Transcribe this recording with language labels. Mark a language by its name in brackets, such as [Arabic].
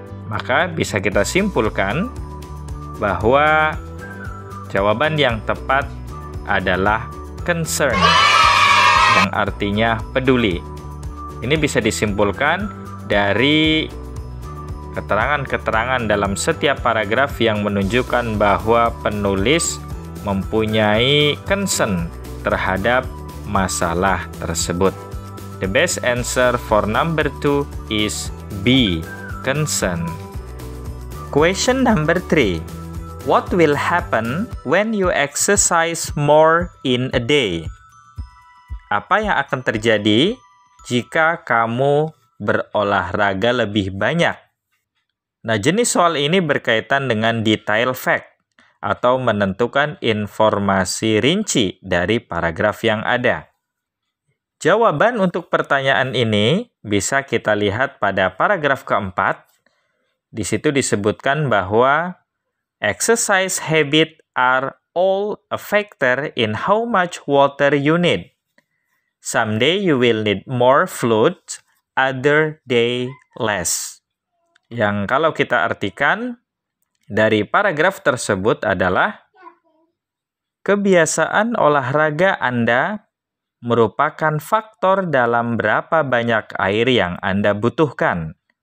[Indonesian] Maka bisa kita simpulkan bahwa jawaban yang tepat adalah concern, yang artinya peduli. Ini bisa disimpulkan dari keterangan-keterangan dalam setiap paragraf yang menunjukkan bahwa penulis mempunyai concern terhadap masalah tersebut. [English] The best answer for number 2 is B, concern. Question number 3. What will happen when you exercise more in a day? [Indonesian] Apa yang akan terjadi jika kamu berolahraga lebih banyak? Nah, jenis soal ini berkaitan dengan detail fact atau menentukan informasi rinci dari paragraf yang ada. Jawaban untuk pertanyaan ini bisa kita lihat pada paragraf keempat. Di situ disebutkan bahwa [English] exercise habits are all a factor in how much water you need. Someday you will need more fluid, other day less. [Indonesian] Yang kalau kita artikan dari paragraf tersebut adalah kebiasaan olahraga Anda merupakan faktor dalam berapa banyak air yang Anda butuhkan.